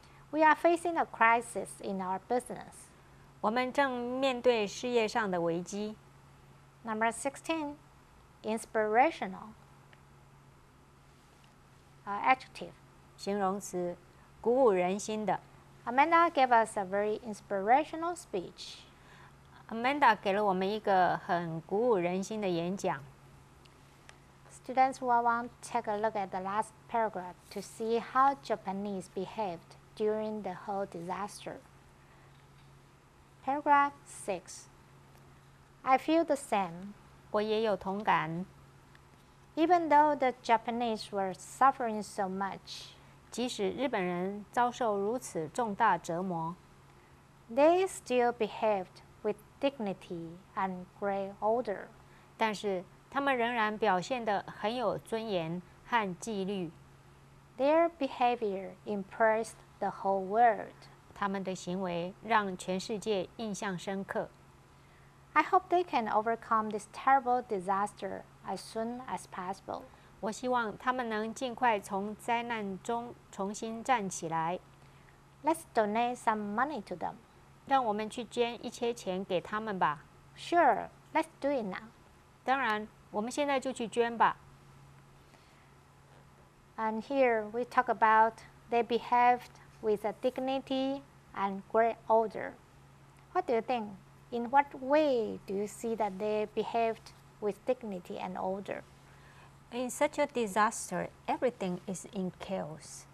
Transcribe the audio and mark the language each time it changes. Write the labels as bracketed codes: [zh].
[en] We are facing a crisis in our business. [zh] 我们正面对事业上的危机。 [en] Number 16, inspirational. Adjective. [zh] 形容词，鼓舞人心的。 [en] Amanda gave us a very inspirational speech. [zh] Amanda 给了我们一个很鼓舞人心的演讲。 [en] Students will want to take a look at the last paragraph to see how Japanese behaved during the whole disaster. Paragraph 6. I feel the same. [zh] 我也有同感。 [en] Even though the Japanese were suffering so much, [zh] 即使日本人遭受如此重大折磨, [en] they still behaved with dignity and great order. [zh] 但是他们仍然表现得很有尊严和纪律。 [en] Their behavior impressed the whole world. [zh] 他们的行为让全世界印象深刻。 [en] I hope they can overcome this terrible disaster as soon as possible. [zh] 我希望他们能尽快从灾难中重新站起来。 [en] Let's donate some money to them. [zh] 让我们去捐一些钱给他们吧。 [en] Sure, let's do it now. [zh] 当然，我们现在就去捐吧。 [en] And here we talk about they behaved with a dignity and great order. What do you think? In what way do you see that they behaved with dignity and order? In such a disaster, everything is in chaos.